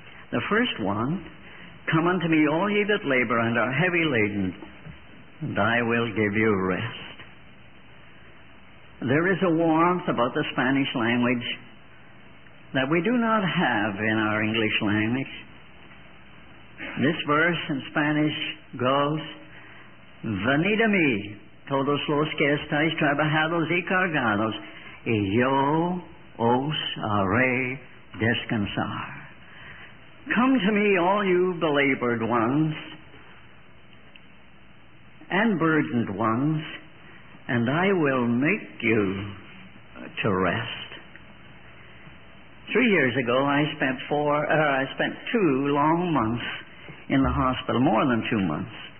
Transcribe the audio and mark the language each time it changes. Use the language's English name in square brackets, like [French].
[English] The first one, come unto me, all ye that labor and are heavy laden, and I will give you rest. There is a warmth about the Spanish language that we do not have in our English language. This verse in Spanish goes, [Spanish] venid a mí, todos los que estáis trabajados y cargados, y yo os haré descansar. [English] Come to me, all you belabored ones and burdened ones, and I will make you to rest. 3 years ago, I spent 2 long months in the hospital, more than 2 months.